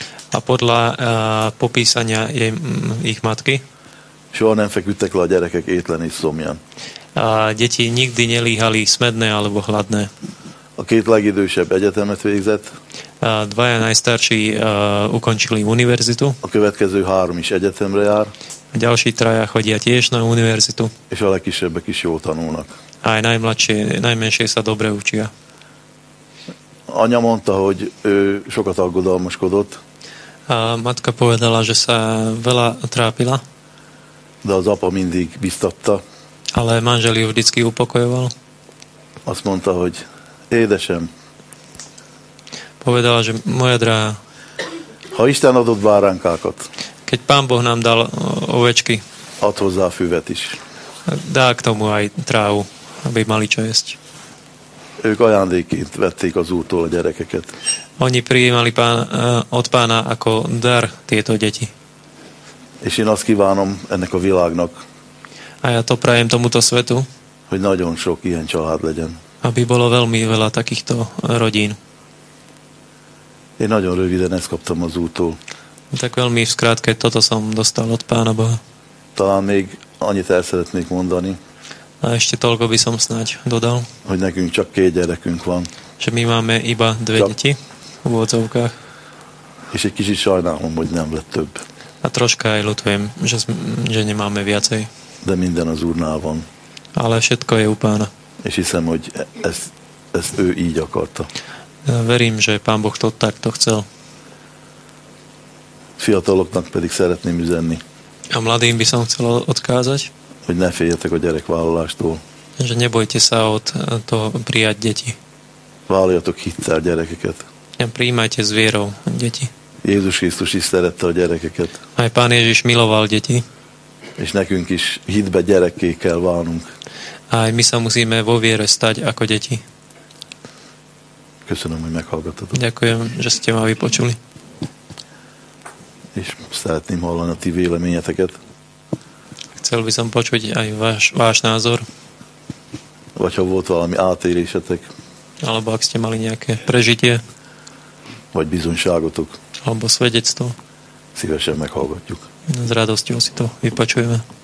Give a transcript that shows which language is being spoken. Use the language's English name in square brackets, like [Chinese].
[Slovak] A podľa popísania jej ich matky. [Hungarian] Soha nem feküdtek le a gyerekek étlen és szomjan. [Slovak] A deti nikdy nelíhali smedné alebo hladné. [Hungarian] A két legidősebb egyetemet végzett. [Slovak] A dvaja najstarší ukončili univerzitu. [Hungarian] A következő 3 is egyetemre jár. [Slovak] A ďalší traja chodia tiež na univerzitu. [Hungarian] És a legkisebbek is jól tanulnak. [Slovak] A aj najmenšie sa dobre učia. [Hungarian] Anya mondta, hogy ő sokat aggodalmaskodott. [Slovak] A matka povedala, že sa veľa trápila. [Hungarian] De az apa mindig biztatta. [Slovak] Ale manžel ju vždycky upokojoval. [Hungarian] Azt mondta, hogy édesem. [Slovak] Povedala, že moja drahá. [Hungarian] Ha Isten adott báránkákat. [Slovak] Keď Pán Boh nám dal ovečky. [Hungarian] Ad hozzá füvet is. [Slovak] Dá k tomu aj trávu, aby mali čo jesť. [Hungarian] Ők ajándékként vették az Úrtól a gyerekeket. [Slovak] Oni prijímali od Pána ako dar tieto deti. [Hungarian] És én azt kívánom ennek a világnak. [Slovak] A ja to prajem tomuto svetu. [Hungarian] Hogy nagyon sok ilyen család legyen. [Slovak] aby bolo veľmi veľa takýchto rodín. [Hungarian] Én nagyon röviden ezt kaptam az útól. [Slovak] Tak veľmi v skrátke toto som dostal od Pána Boha. [Hungarian] Talán még annyit el szeretnék mondani. [Slovak] A ešte toľko by som snáď dodal. [Hungarian] Hogy nekünk csak két gyerekünk van. [Slovak] Že my máme iba dve deti v úvodzovkách. [Hungarian] És egy kicsit sajnálom, hogy nem lett több. [Slovak] A troška aj ľutujem, že nemáme viacej. [Hungarian] De minden az Úrnál van. [Slovak] Ale všetko je u Pána. [Hungarian] És hiszem, hogy ezt ő így akarta. [Slovak] Verím, že Pán Boh to takto chcel. [Hungarian] Fiataloknak pedig szeretném üzenni. [Slovak] A mladým by som chcel odkázať. [Hungarian] Hogy ne féljetek a gyerekvállalástól. [Slovak] Že nebojte sa od toho prijať deti. [Hungarian] Váljatok hittel gyerekeket. [Slovak] Prijímajte s vierou deti. [Hungarian] Jézus Krisztus is szerette a gyerekeket. [Slovak] Aj Pán Ježiš miloval deti. [Hungarian] És nekünk is hitbe gyerekké kell válnunk. [Slovak] Aj my sa musíme vo viere stať ako deti. [Hungarian] Köszönöm, hogy meghallgattad. [Slovak] Ďakujem, že ste ma vypočuli. [Hungarian] És szeretném hallani a ti véleményeteket. [Slovak] Chcel by som počuť aj váš názor. [Hungarian] Vagy ha volt valami átélésetek. [Slovak] Alebo ak ste mali nejaké prežitie. [Hungarian] Vagy bizonyságotok. [Slovak] Alebo svedectvo. [Hungarian] Szívesen meghallgatjuk. [Slovak] S radosťou si to vypočujeme.